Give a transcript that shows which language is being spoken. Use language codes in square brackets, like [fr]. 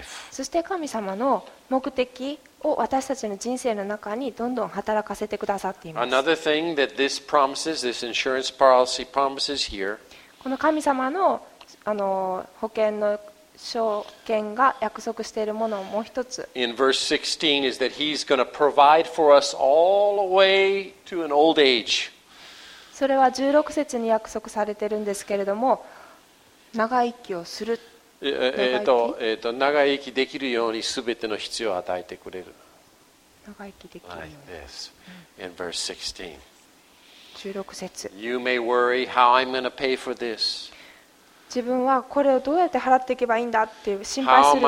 [ja] そして神様の目的を私たちの人生の中にどんどん働かせてくださっています。 [en] Another thing that this promises, this insurance policy promises here, [ja] この神様の、保険の証券が約束しているものをもう一つ。 [en] In verse 16 is that he's going to provide for us all the way to an old age. [ja] それは16節に約束されているんですけれども、長生きをする。長生きできるようにすべての必要を与えてくれる。長生きできるように。 [en] Like this. In verse [ja] 16. 16節。 [en] You may worry how I'm going to pay for this. [ja] 自分はこれをどうやって払っていけばいいんだって心配するかも。